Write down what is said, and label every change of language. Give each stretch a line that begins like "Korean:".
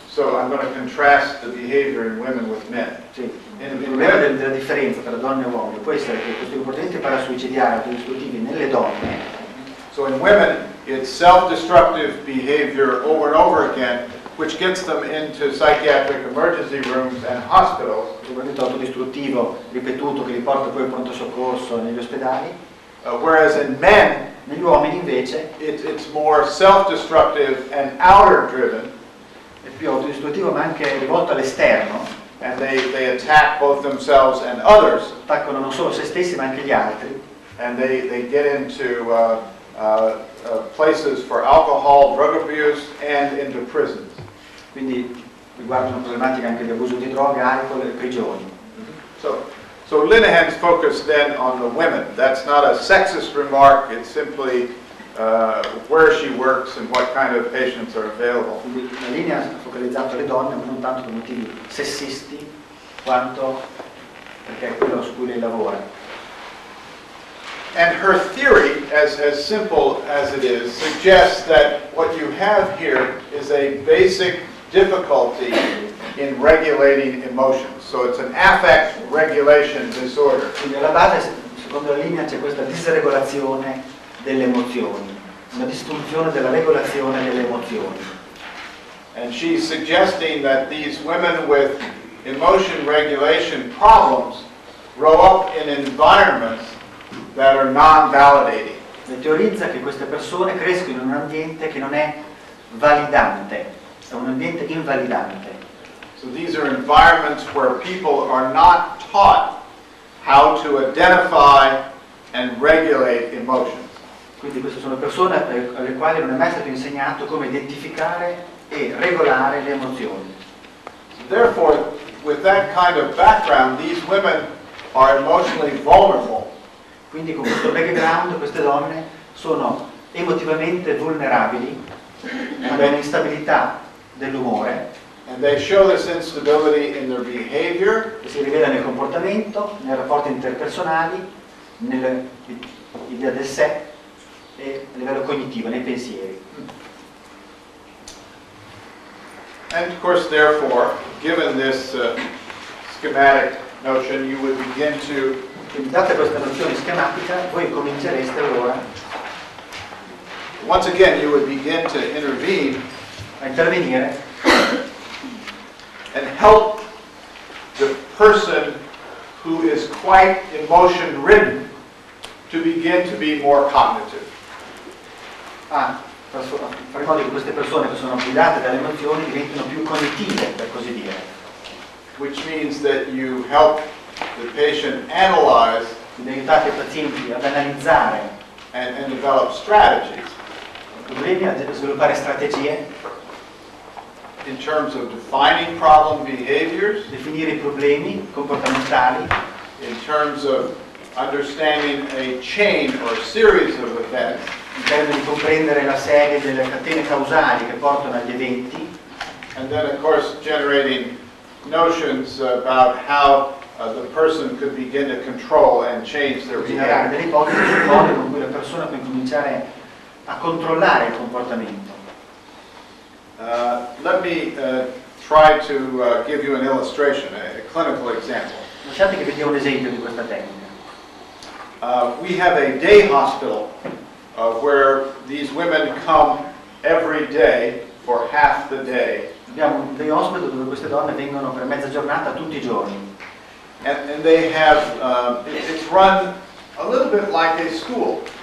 English: So I'm going to contrast the behavior in women with men.
Italian: Sì. Il problema della differenza tra donne e uomini può essere che questi comportamenti parasuicidiari sono discutibili nelle donne.
English: So in women, it's self-destructive behavior over and over again, which gets them into psychiatric emergency rooms and hospitals.
Italian: Il comportamento autodistruttivo ripetuto che li porta poi al pronto soccorso negli ospedali.
English: Whereas in men,
Italian: negli uomini invece,
English: it's more self-destructive and outer-driven.
Italian: È più autodistruttivo ma anche rivolto all'esterno.
English: And they attack both themselves and others.
Italian: Attaccano non solo se stessi ma anche gli altri.
English: And they get into places for alcohol, drug abuse, and into prisons.
Italian: Quindi riguardano problematiche anche di abuso di droga, alcohol e prigioni. Mm-hmm.
English: So Linehan's focus then on the women. That's not a sexist remark. It's simply where she works and what kind of patients are available.
Italian: La linea ha focalizzato le donne, ma non tanto per motivi sessisti, quanto perché è quello su cui lei lavora.
English: And her theory, as simple as it is, suggests that what you have here is a basic difficulty in regulating emotions. So it's an affect regulation disorder.
Italian: Quindi alla base, secondo la linea, c'è questa disregolazione delle emozioni, una disfunzione della regolazione delle emozioni.
English: And she's suggesting that these women with emotion regulation problems grow up in environments that are non-validating.
Italian: Le teorizza che queste persone crescono in un ambiente che non è validante, è un ambiente invalidante.
English: So these are environments where people are not taught how to identify and regulate emotions.
Italian: Quindi queste sono persone alle quali non è mai stato insegnato come identificare e regolare le emozioni.
English: Therefore, with that kind of background, these women are emotionally vulnerable.
Italian: Quindi con questo background queste donne sono emotivamente vulnerabili, hanno un'instabilità dell'umore.
English: And they show this instability in their behavior.
Italian: E si rivela nel comportamento, nei rapporti interpersonali, nell'idea del sé. E a livello cognitivo, nei pensieri.
English: And of course, therefore, given this schematic notion, you would begin to.
Italian: Data questa nozione schematica, voi comincereste allora.
English: Once again, you would begin to intervene.
Italian: A intervenire.
English: And help the person who is quite emotion ridden to begin to be more cognitive.
Italian: Fare in modo che queste persone che sono guidate dalle emozioni diventino più cognitive, per così dire.
English: Which means that you help the patient analyze.
Italian: Quindi aiutate i pazienti ad analizzare.
English: And develop strategies.
Italian: Il problema è sviluppare strategie.
English: In terms of defining problem behaviors.
Italian: Definire i problemi comportamentali.
English: In terms of understanding a chain or series of events.
Italian: In termini di comprendere la serie delle catene causali che portano agli eventi.
English: And then of course generating notions about how the person could begin to control and change their behavior.
Italian: Generare delle ipotesi con cui la persona può cominciare a controllare il comportamento.
English: Let me try to give you an illustration, a clinical example.
Italian: Lasciate che vi dia un esempio di questa tecnica.
English: We have a day hospital. Where these women come every day for half the day.
Italian: Abbiamo dei ospedali dove queste donne vengono per mezza giornata tutti I giorni.
English: And they have it's run a little bit like a school.